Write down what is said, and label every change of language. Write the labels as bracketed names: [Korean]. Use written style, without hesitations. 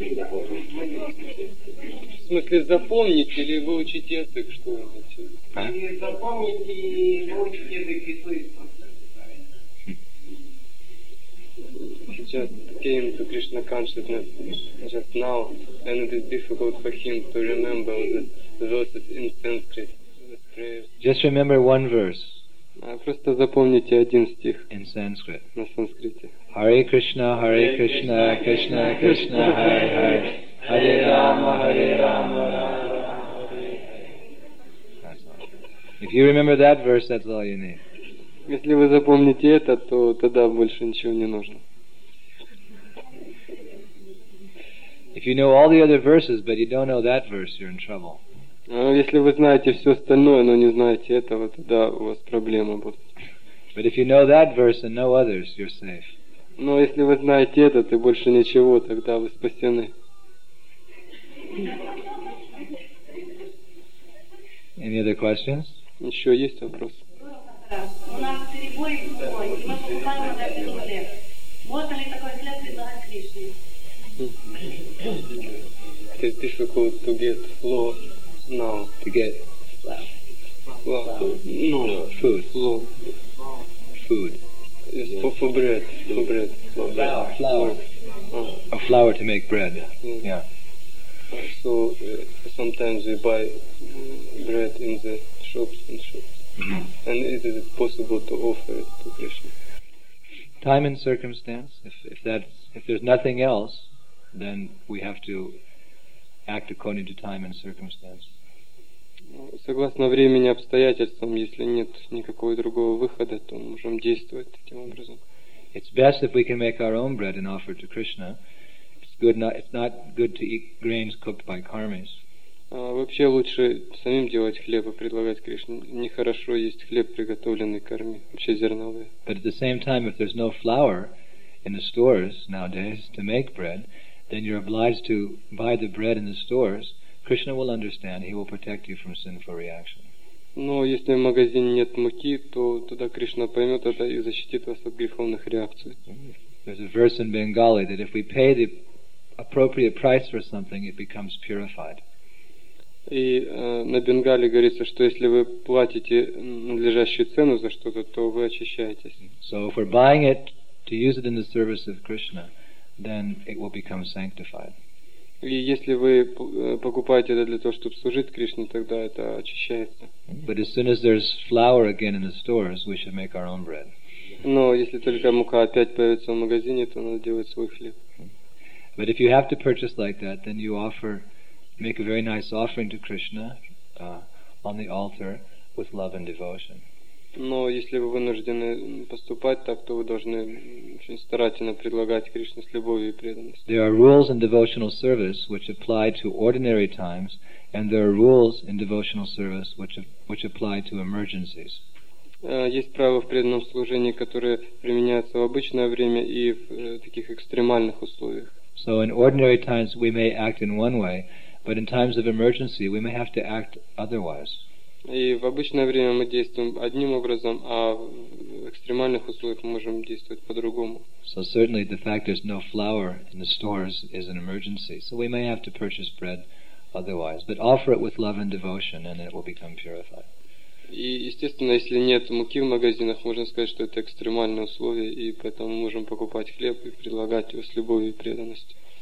[Russian] В смысле запомнить или выучить язык, что вы хотите? Запомнить и выучить язык и слышать. Сейчас [English] came to Krishna consciousness just now, and it is difficult for him to remember the verses in Sanskrit. Just remember one verse. [Russian] Просто запомните один стих. [English] In Sanskrit. [Russian] На санскрите. [Sanskrit] Hare Krishna, Hare Krishna, Krishna Krishna, Hare Hare, Hare Rama, Hare Rama, Rama Rama, Hare Hare. [English] If you remember that verse, that's all you need. [Russian] Если вы запомните это, то тогда больше ничего не нужно. [English] If you know all the other verses, but you don't know that verse, you're in trouble. [Russian] Если вы знаете все остальное, но не знаете этого, тогда у вас проблемы будут. [English] But if you know that verse and no others, you're safe. [Russian] Но если вы знаете этот и больше ничего, тогда вы спасены. [English] Any other questions? [Russian] Еще есть вопрос? [English] It's difficult to get flour now. To get flour. Food. Yes. For bread. For bread. Flour. Oh, flour to make bread. Yeah. So sometimes we buy bread in the shops. Mm-hmm. And is it possible to offer it to Krishna? Time and circumstance. If there's nothing else, then we have to act according to time and circumstance. [Russian] Согласно времени обстоятельствам, если нет никакого другого выхода, то мы можем действовать таким образом. [English] It's best if we can make our own bread and offer it to Krishna. It's not good to eat grains cooked by karmis. [Russian] Вообще лучше самим делать хлеб и предлагать Кришне. Нехорошо есть хлеб, приготовленный карми, вообще зерновые. [English] But at the same time, if there's no flour in the stores nowadays to make bread, then you're obliged to buy the bread in the stores. Krishna will understand. He will protect you from sinful reaction. [Russian] Но если в магазине нет муки, то тогда Кришна поймет это и защитит вас от греховных реакций. [English] There's a verse in Bengali that if we pay the appropriate price for something, it becomes purified. [Russian] И на Бенгале говорится, что если вы платите надлежащую цену за что-то, то вы очищаетесь. [English] So if we're buying it to use it in the service of Krishna, then it will become sanctified. [Russian] И если вы покупаете это для того, чтобы служить Кришне, тогда это очищается. [English] But as soon as there's flour again in the stores, we should make our own bread. [Russian] Но если только мука опять появится в магазине, то надо делать свой хлеб. [English] But if you have to purchase like that, then you offer. Make a very nice offering to Krishna on the altar with love and devotion. [Russian] Но если вы вынуждены поступать так, то вы должны очень старательно предлагать Кришне с любовью и преданностью. [English] There are rules in devotional service which apply to ordinary times, and there are rules in devotional service which apply to emergencies. [Russian] Есть правила в преданном служении, которые применяются в обычное время и в таких экстремальных условиях. [English] So in ordinary times we may act in one way. But in times of emergency, we may have to act otherwise. [Russian] И в обычное время мы действуем одним образом, а в экстремальных условиях мы можем действовать по-другому. [English] So certainly, the fact there's no flour in the stores is an emergency. So we may have to purchase bread otherwise, but offer it with love and devotion, and it will become purified. [Russian] И естественно, если нет муки в магазинах, можно сказать, что это экстремальные условия, и поэтому мы можем покупать хлеб и предлагать его с любовью и преданностью.